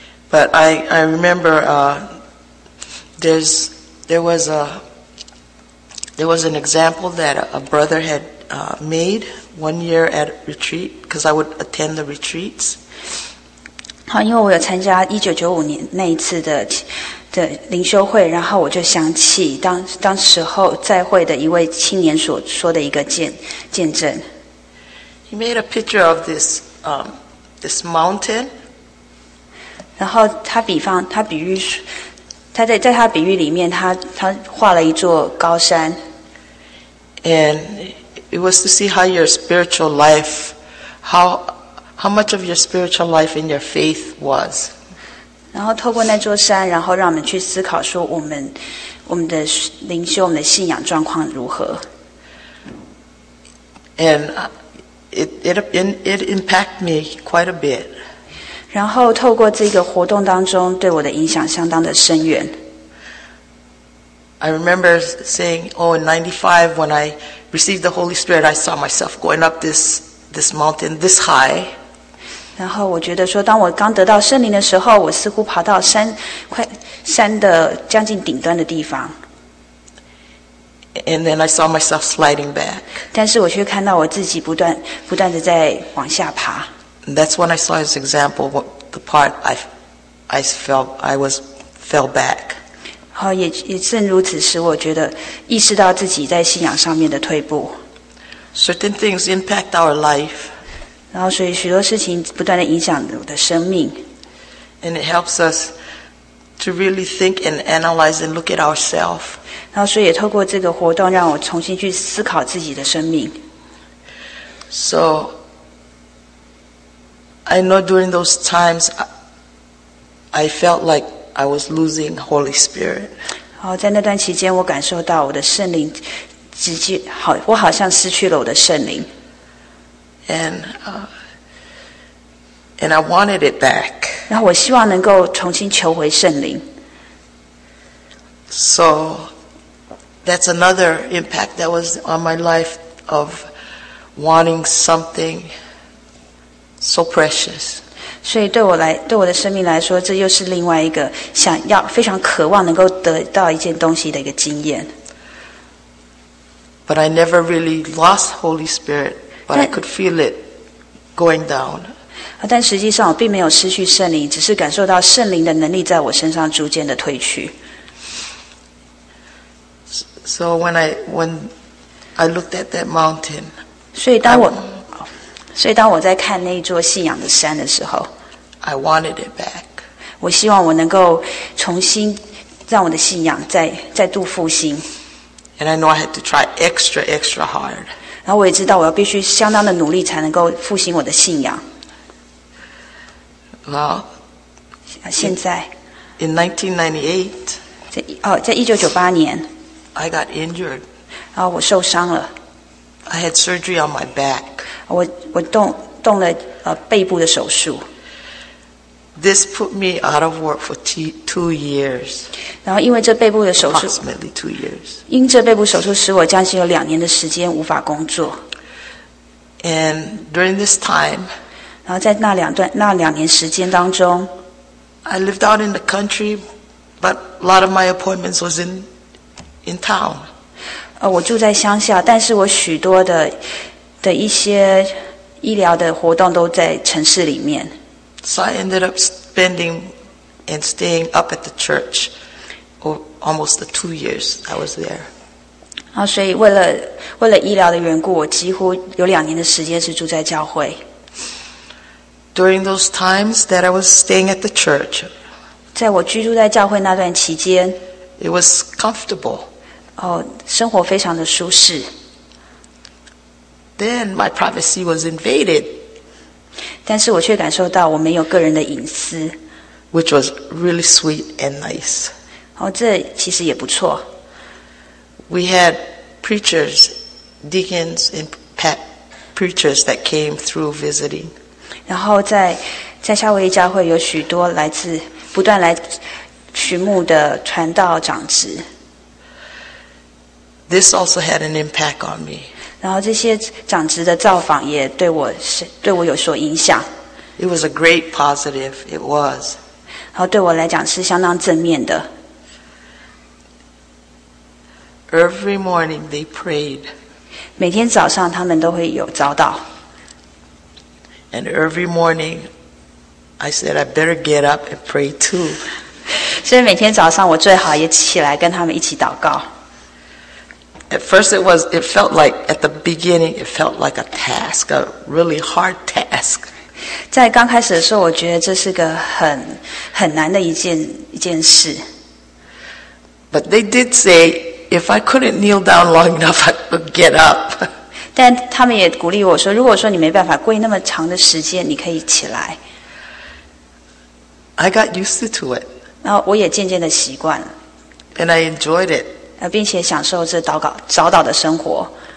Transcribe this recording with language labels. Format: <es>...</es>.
<en>But I remember there was an example that a brother had made 1 year at a retreat because I would attend the retreats.</en> <zh>好，因为我有参加1995年那一次的灵修会，然后我就想起当时候在会的一位青年所说的一个见证。</zh> <en>He made a picture of this this mountain.</en> <zh>然后他比喻他在他比喻里面他画了一座高山。</zh> <en>And it was to see how your spiritual life, how much of your spiritual life in your faith was.</en> <zh>然后透过那座山，然后让我们去思考说我们的灵修、我们的信仰状况如何。</zh> <en>And it impacted me quite a bit.</en> <zh>然后透过这个活动当中，对我的影响相当的深远。</zh> <en>I remember saying, "Oh, in '95, when I received the Holy Spirit, I saw myself going up this mountain this high."</en> <zh>然后我觉得说，当我刚得到圣灵的时候，我似乎爬到山的将近顶端的地方。</zh> <en>And then I saw myself sliding back.</en> <zh>但是我却看到我自己不断的在往下爬。</zh> <en>And that's when I saw his example. What the part I fell back.</en> <zh>好，也正如此时，我觉得意识到自己在信仰上面的退步。</zh> <en>Certain things impact our life.</en> <zh>然后所以许多事情不断地影响我的生命。</zh> <en>And it helps us to really think and analyze and look at ourselves.</en> <zh>然后所以也透过这个活动让我重新去思考自己的生命。</zh> <en>So, I know during those times, I felt like I was losing Holy Spirit.</en> <zh>好，在那段期间我感受到我的圣灵直接好，我好像失去了我的圣灵。</zh> <en>And I wanted it back.</en> <zh>然后我希望能够重新求回圣灵。</zh> <en>So that's another impact that was on my life of wanting something so precious.</en> <zh>所以对我的生命来说，这又是另外一个想要非常渴望能够得到一件东西的一个经验。</zh> <en>But I never really lost Holy Spirit. But I could feel it going down.</en> <zh>但实际上我并没有失去圣灵，只是感受到圣灵的能力在我身上逐渐的退去。</zh> <en>So when I looked at that mountain,</en> <zh>所以当我在看那座信仰的山的时候</zh> <en>，I wanted it back.</en> <zh>我希望我能够重新让我的信仰再度复兴。</zh> <en>And I know I had to try extra hard.</en> <zh>然后我也知道，我要必须相当的努力才能够复兴我的信仰。现在</zh> <en>，in 1998，</en> <zh>在1998年</zh> <en>，I got injured，</en> <zh>然后我受伤了。</zh> <en>I had surgery on my back，</en> <zh>我动了背部的手术。</zh> <en>This put me out of work for two years.</en> <zh>然后因为这背部的手术</zh> <en>，approximately two years.</en> <zh>因这背部手术使我将近有两年的时间无法工作。</zh> <en>And during this time,</en> <zh>然后在那两年时间当中</zh> <en>，I lived out in the country, but a lot of my appointments was in town.</en> <zh>我住在乡下，但是我许多的一些医疗的活动都在城市里面。</zh> <en>So I ended up spending and staying up at the church for almost the 2 years I was there.</en> <zh>然后，所以为了医疗的缘故，我几乎有两年的时间是住在教会。</zh> <en>During those times that I was staying at the church,</en> <zh>在我居住在教会那段期间</zh> <en>，it was comfortable.</en> <zh>哦，生活非常的舒适。</zh> <en>Then my privacy was invaded.</en> <zh>但是我却感受到我没有个人的隐私</zh> <en>，which was really sweet and nice。</en> <zh>哦，这其实也不错。</zh> <en>We had preachers, deacons, and preachers that came through visiting。</en> <zh>然后在夏威夷教会有许多不断来巡牧的传道长职。</zh> <en>This also had an impact on me。</en> <zh>然后这些长职的造访也对我有所影响。</zh> <en>It was a great positive. It was.</en> <zh>然后对我来讲是相当正面的。</zh> <en>Every morning they prayed.</en> <zh>每天早上他们都会有早祷。</zh> <en>And every morning, I said I better get up and pray too.</en> <zh>所以每天早上我最好也起来跟他们一起祷告。</zh> <en>At first it felt like, at the beginning, it felt like a task, a really hard task.</en> <zh>在刚开始的时候，我觉得这是个很难的一件事。</zh> <en>But they did say, if I couldn't kneel down long enough, I could get up.</en> <zh>但他们也鼓励我说，如果说你没办法跪那么长的时间，你可以起来。</zh> <en>I got used to it.</en> <zh>然后我也渐渐的习惯了。</zh> <en>And I enjoyed it.</en> <zh>并且享受这早祷的生活。</zh>